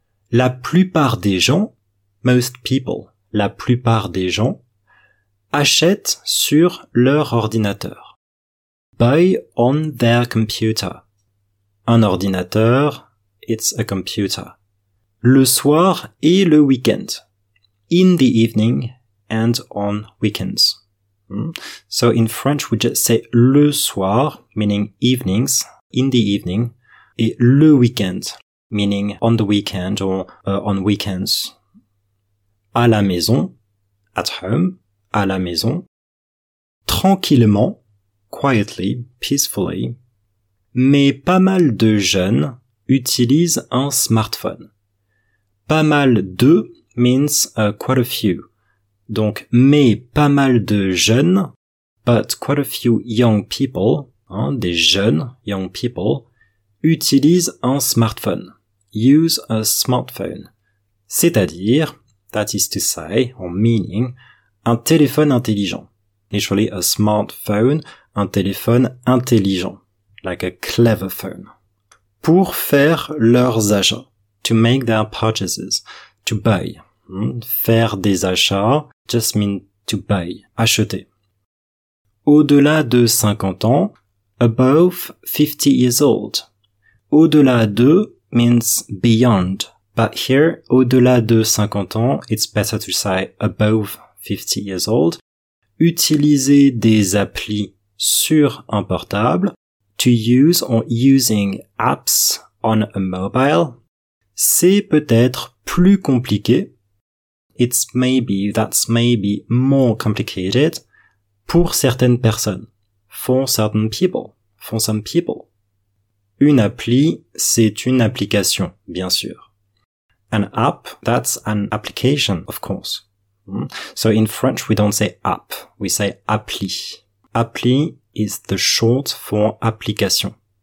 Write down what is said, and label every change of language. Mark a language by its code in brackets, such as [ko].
[fr] La plupart des gens, [en] most people, [fr] la plupart des gens, achètent sur leur ordinateur. [en] Buy on their computer. [fr] Un ordinateur, [en] it's a computer. [fr] Le soir et le week-end. [en] In the evening and on weekends. So in French, we just say [fr] le soir, [en] meaning evenings, in the evening, [fr] et le week-end, [en] meaning on the weekend or on weekends. [fr] À la maison, [en] at home, [fr] à la maison. [en] Tranquillement, quietly, peacefully. [fr] Mais pas mal de jeunes utilisent un smartphone. [en] Pas mal de means quite a few. [fr] Donc, mais pas mal de jeunes, [en] but quite a few young people, [fr] hein, des jeunes [en] young people, [fr] utilisent un smartphone. [en] Use a smartphone. [fr] C'est-à-dire, [en] that is to say, or meaning, [fr] un téléphone intelligent. [en] Literally, a smartphone, [fr] un téléphone intelligent. [en] Like a clever phone. [fr] Pour faire leurs achats. [en] To make their purchases. To buy. [fr] Faire des achats [en] just mean to buy. [fr] Acheter. Au-delà de 50 ans. [en] Above 50 years old. Au-delà de means beyond. But here, au-delà de 50 ans, it's better to say above 50 years old. [fr] Utiliser des applis sur un portable. [en] To use or using apps on a mobile. [fr] C'est peut-être plus compliqué. [en] It's maybe, that's maybe more complicated [fr] pour certaines personnes. [en] For certain people. For some people. [fr] Une appli, c'est une application, bien sûr. [en] An app, that's an application, of course. So in French, we don't say app, we say appli. Appli is the short for application.